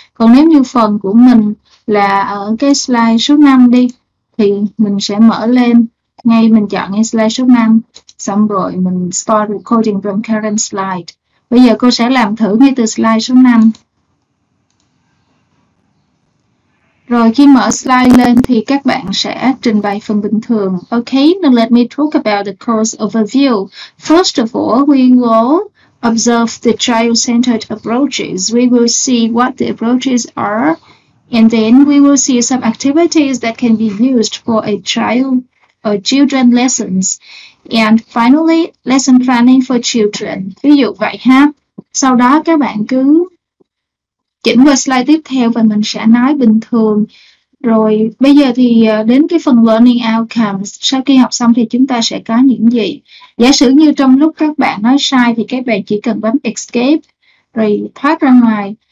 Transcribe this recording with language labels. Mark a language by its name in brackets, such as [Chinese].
[Vietnamese] Còn nếu như phần của mình là ở cái slide số 5 đi thì mình sẽ mở lên ngay, mình chọn ngay slide số 5. Xong rồi mình [English] start recording from current slide. [Vietnamese] Bây giờ cô sẽ làm thử ngay từ slide số 5. Rồi khi mở slide lên thì các bạn sẽ trình bày phần bình thường. [English] Okay, now let me talk about the course overview. First of all, we will observe the child-centered approaches. We will see what the approaches are, and then we will see some activities that can be used for a child or children lessons. And finally, lesson planning for children. [Vietnamese] Ví dụ vậy ha. Sau đó các bạn cứ chỉnh qua slide tiếp theo và mình sẽ nói bình thường. Rồi bây giờ thì đến cái phần learning outcomes. Sau khi học xong thì chúng ta sẽ có những gì? Giả sử như trong lúc các bạn nói sai thì các bạn chỉ cần bấm escape rồi thoát ra ngoài.